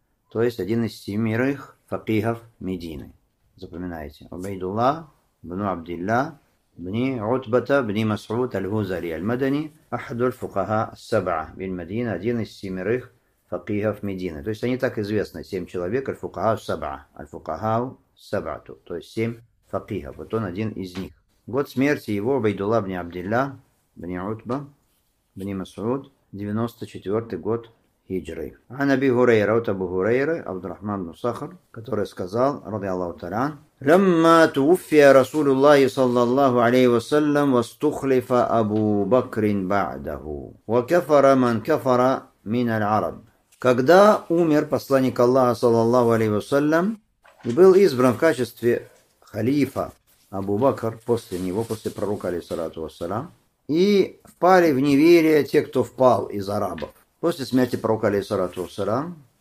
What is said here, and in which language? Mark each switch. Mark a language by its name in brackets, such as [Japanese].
[Russian] то есть один из семерых факихов Медины, запоминайте, [Arabic] عبيد الله بن عبد الله بن عتبة بن مسعود الهزلي المدني أحد الفقهاء السبعة بالمدينة [Russian] один из семерых факихов Медины. То есть они так известны, семь человек, الفقهاء السبعة. الفقهاء السبعة, то есть семь факихов, вот он один из них. Год смерти его, Байдулла бни Абдилла, бни Утба, бни Масуд, 94 год хиджры. [Arabic] عن أبي هريرة, [Russian] от Абу Хурейры, Абдурахман бну Сахр, который сказал, [Arabic] رضي الله تعالى عنه, لما توفي رسول الله صلى الله عليه وسلم واستخلف أبو بكر بعده وكفر من كفر من العرب. [Russian] Когда умер посланник Аллаха صلى الله عليه وسلم и был избран в качестве халифа Абу Бакр после него, после пророка عليه الصلاة والسلام, и впали в неверие те, кто впал из арабов. После смерти пророка عليه الصلاة والسلام